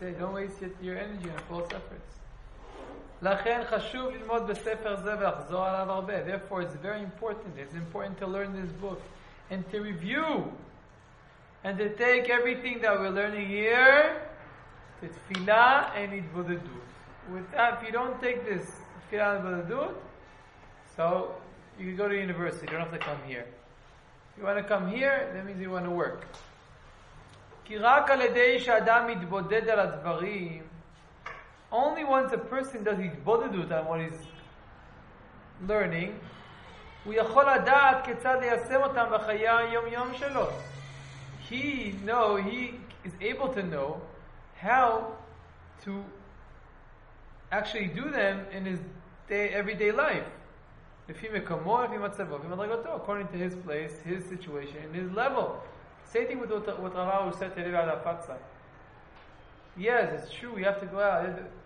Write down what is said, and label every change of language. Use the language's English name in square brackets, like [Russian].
[English] Hey, don't waste your energy on false efforts. [Hebrew] לכן חשוב ללמוד בספר זה ולחזור עליו הרבה. [English] Therefore, it's very important. It's important to learn this book and to review and to take everything that we're learning here to tefila and itvodedut. With that, if you don't take this tefila and itvodedut, so you can go to university. You don't have to come here. If you want to come here, that means you want to work. [Hebrew] כי רק על ידי שאדם מתבודד על הדברים, [English] only once a person does התבודדות on what he's learning, [Hebrew] הוא יכול לדעת כיצד ליישם אותם בחיי היום-יום שלו. [English] He is able to know how to actually do them in his everyday life. [Hebrew] לפי מקומו, לפי מצבו, לפי מדרגתו, [English] according to his place, his situation, and his level. Same thing with what Ravahu said to Rebbe Adapatza. Yes, it's true, you have to go out.